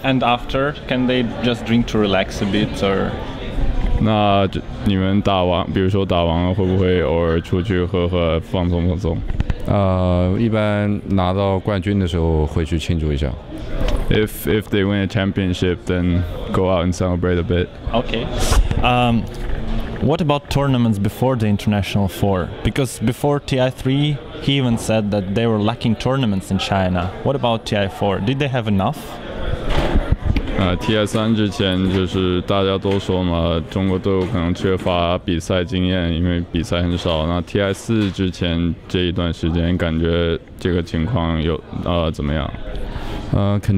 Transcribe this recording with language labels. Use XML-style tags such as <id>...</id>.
<en>And after, can they just drink to relax a bit or?</en> <zh>那你们打完，比如说打完了，会不会偶尔出去喝喝，放松放松？一般拿到冠军的时候会去庆祝一下。</zh> <en>if they win a championship, then go out and celebrate a bit. Okay. What about tournaments before the International 4? Because before TI3, he even said that they were lacking tournaments in China. What about TI4? Did they have enough?</en> <zh>TI3之前就是大家都说嘛，中国队伍可能缺乏比赛经验，因为比赛很少。那TI4之前这一段时间，感觉这个情况有怎么样？</zh>